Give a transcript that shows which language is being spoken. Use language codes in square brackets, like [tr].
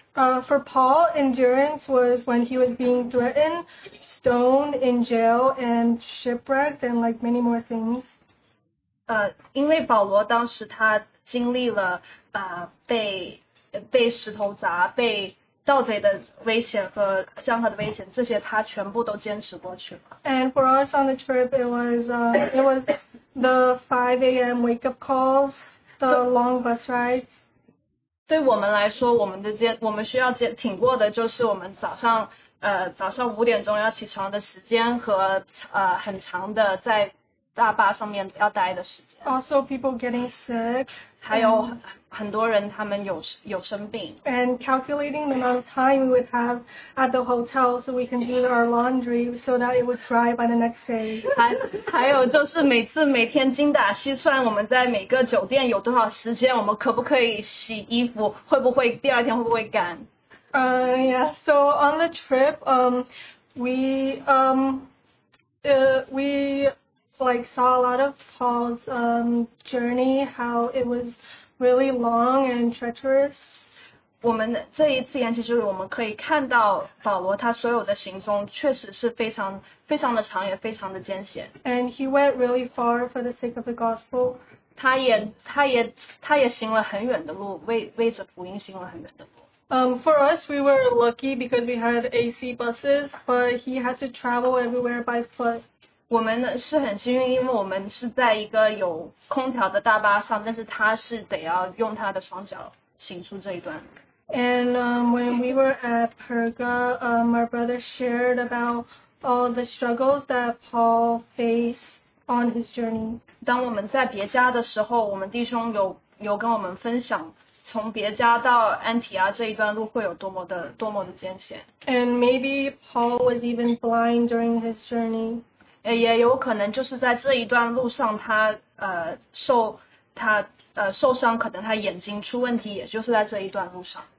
[en] For Paul, endurance was when he was being threatened, stoned in jail, and shipwrecked, and like many more things. [zh] 因为保罗当时他经历了被石头砸、被盗贼的威胁和江河的危险，这些他全部都坚持过去了。 [en] And for us on the trip, it was the 5 a.m. wake up calls, the long bus rides. [zh] 对我们来说，我们需要挺过的就是我们早上五点钟要起床的时间和很长的在大巴上面要待的时间。 [en] Also, people getting sick. [zh] 还有很多人他们有生病。 [en] And calculating the amount of time we would have at the hotel so we can do our laundry so that it would dry by the next day. [zh] 还有就是每天精打细算，我们在每个酒店有多少时间，我们可不可以洗衣服，会不会第二天会不会干。 [en] So on the trip, we saw a lot of Paul's journey, how it was really long and treacherous. [zh] 我们这一次研习之旅，我们可以看到保罗他所有的行踪确实是非常非常的长，也非常的艰险。 [en] And he went really far for the sake of the gospel. [zh] 他也行了很远的路，为着福音行了很远的路。 [en] For us, we were lucky because we had AC buses, but he had to travel everywhere by foot. [zh] 我们是很幸运，因为我们是在一个有空调的大巴上，但是他是得要用他的双脚行出这一段。 [en] And when we were at Perga, our brother shared about all the struggles that Paul faced on his journey. [zh] 当我们在别家的时候，我们弟兄有跟我们分享从别家到安提阿这一段路会有多么的艰险。 [en] And maybe Paul was even blind during his journey. [zh] 也有可能就是在这一段路上他受伤，可能他眼睛出问题，也就是在这一段路上。